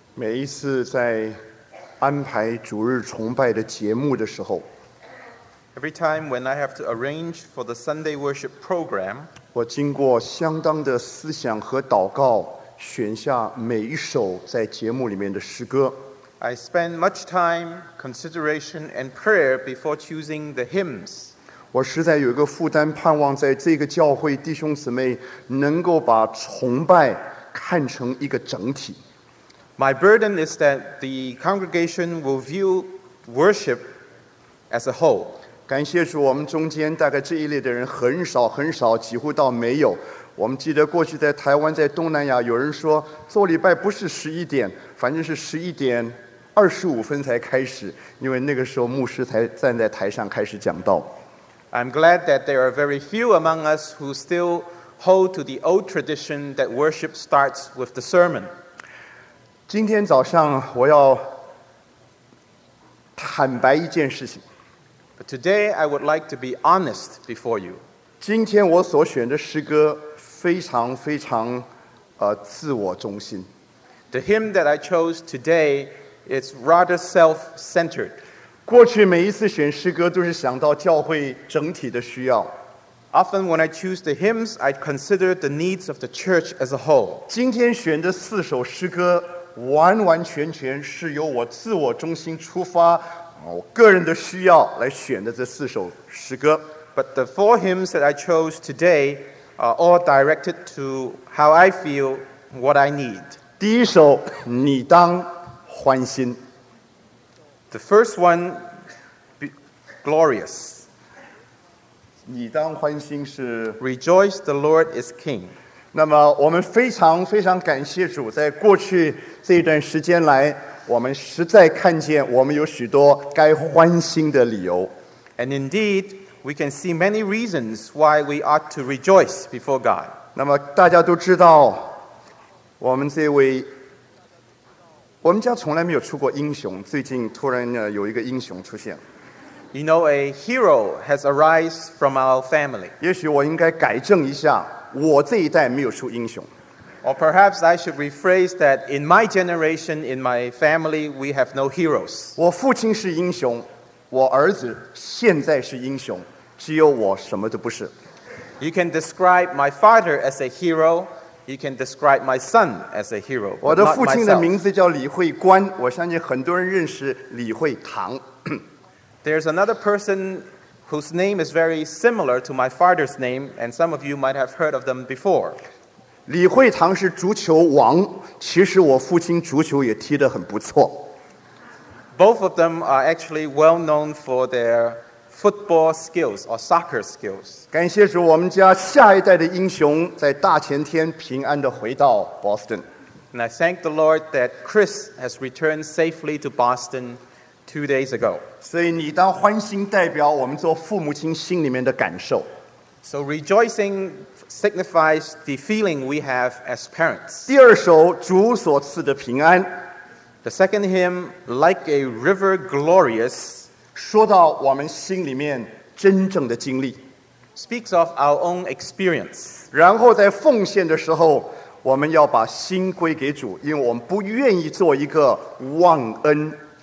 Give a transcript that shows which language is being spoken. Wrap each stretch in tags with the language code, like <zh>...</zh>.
<zh>每一次在安排主日崇拜的节目的时候，</zh> <en>Every time when I have to arrange for the Sunday worship program,</en> <zh>我经过相当的思想和祷告，选下每一首在节目里面的诗歌。</zh> <en>I spend much time, consideration, and prayer before choosing the hymns.</en> <zh>我实在有一个负担，盼望在这个教会弟兄姊妹能够把崇拜看成一个整体。</zh> <en>My burden is that the congregation will view worship as a whole.</en> <zh>感谢主，我们中间大概这一类的人很少很少，几乎到没有。我们记得过去在台湾，在东南亚，有人说做礼拜不是十一点，反正是十一点二十五分才开始，因为那个时候牧师才站在台上开始讲道。</zh> <en>I'm glad that there are very few among us who still hold to the old tradition that worship starts with the sermon.</en> <zh>今天早上我要坦白一件事情。</zh> <en>But today I would like to be honest before you.</en> <zh>今天我所选的诗歌非常非常自我中心。</zh> <en>The hymn that I chose today is rather self-centered.</en> <zh>过去每一次选诗歌都是想到教会整体的需要。</zh> <en>Often when I choose the hymns, I consider the needs of the church as a whole.</en> <zh>今天选的四首诗歌完完全全是由我自我中心出发，我个人的需要来选的这四首诗歌。</zh> <en>But the four hymns that I chose today are all directed to how I feel, what I need.</en> <zh>第一首，你当欢心。</zh> <en>The first one, glorious.</en> <zh>你当欢心是</zh> <en>Rejoice, the Lord is King.</en> <zh>那么我们非常非常感谢主，在过去这段时间来，我们实在看见我们有许多该欢欣的理由。</zh> <en>And indeed, we can see many reasons why we ought to rejoice before God.</en> <zh>那么大家都知道，我们家从来没有出过英雄，最近突然有一个英雄出现。</zh> <en>You know, a hero has arisen from our family.</en> <zh>也许我应该改正一下。我这一代没有出英雄。</zh> <en>Or perhaps I should rephrase that in my generation, in my family, we have no heroes.</en> <zh>我父亲是英雄，我儿子现在是英雄，只有我什么都不是。</zh> <en>You can describe my father as a hero, you can describe my son as a hero.</en> <zh>我的父亲的名字叫李慧官，我相信很多人认识李慧堂。</zh> <en>There's another person. Whose name is very similar to my father's name, and some of you might have heard of them before.</en> <zh>李慧堂是足球王，其实我父亲足球也踢得很不错。</zh> <en>Both of them are actually well known for their football skills or soccer skills.</en> <zh>感谢主，我们家下一代的英雄在大前天平安地回到 Boston.</zh> <en>And I thank the Lord that Chris has returned safely to Boston. 2 days ago.</en> <zh>所以你当欢心代表我们做父母亲心里面的感受。</zh> <en>So rejoicing signifies the feeling we have as parents.</en> <zh>第二首，主所赐的平安。</zh> <en>The second hymn, like a river glorious,</en> <zh>说到我们心里面真正的经历。</zh> <en>Speaks of our own experience.</en> <zh>然后在奉献的时候，我们要把心归给主，因为我们不愿意做一个忘恩。</zh>